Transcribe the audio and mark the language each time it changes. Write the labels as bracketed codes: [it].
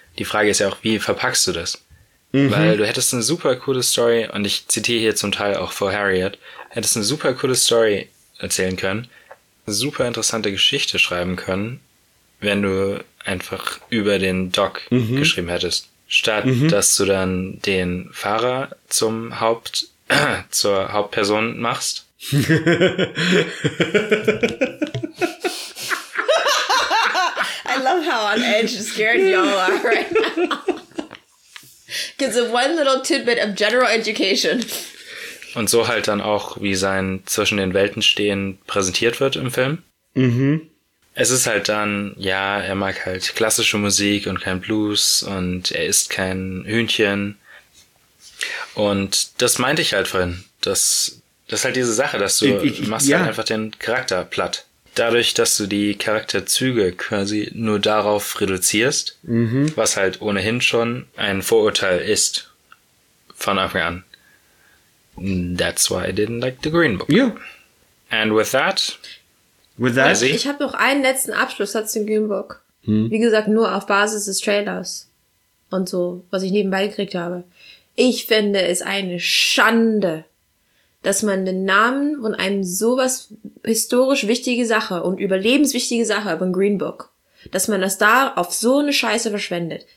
[de] Die Frage ist ja auch, wie verpackst du das? Weil du hättest eine super coole Story, und ich zitiere hier zum Teil auch vor Harriet, hättest eine super coole Story erzählen können, eine super interessante Geschichte schreiben können, wenn du einfach über den Doc geschrieben hättest. Statt dass du dann den Fahrer zur Hauptperson machst. [en] I love how on edge scared y'all are right now. Because of one little tidbit of general education. [de] Und so halt dann auch, wie sein zwischen den Welten stehen präsentiert wird im Film. Es ist halt dann, ja, er mag halt klassische Musik und kein Blues und er isst kein Hühnchen. Und das meinte ich halt vorhin. Das ist halt diese Sache, dass du machst halt einfach den Charakter platt. Dadurch, dass du die Charakterzüge quasi nur darauf reduzierst, was halt ohnehin schon ein Vorurteil ist von Anfang an. [en] That's why I didn't like the Green Book. Yeah. And with that, [de] ich habe noch einen letzten Abschlusssatz zum Green Book. Wie gesagt, nur auf Basis des Trailers und so, was ich nebenbei gekriegt habe. Ich finde es eine Schande, dass man den Namen von einem sowas historisch wichtige Sache und überlebenswichtige Sache von Green Book, dass man das da auf so eine Scheiße verschwendet.